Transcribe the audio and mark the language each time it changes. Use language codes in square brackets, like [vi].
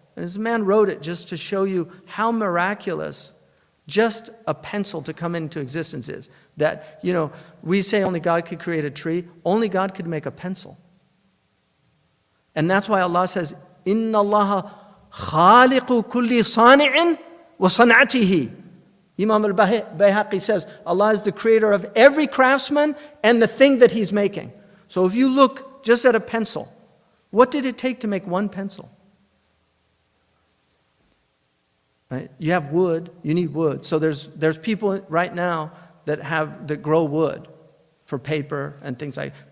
[en] And this man wrote it just to show you how miraculous just a pencil to come into existence is. That, you know, we say only God could create a tree. Only God could make a pencil. And that's why Allah says, [ar] إِنَّ اللَّهَ خَالِقُ كُلِّ صَانِعٍ وَصَنَعْتِهِ. [en] Imam al-Bayhaqi says, Allah is the creator of every craftsman and the thing that he's making. So if you look just at a pencil, what did it take to make one pencil? Right? You have wood, you need wood. So there's people right now that grow wood for paper and things like that.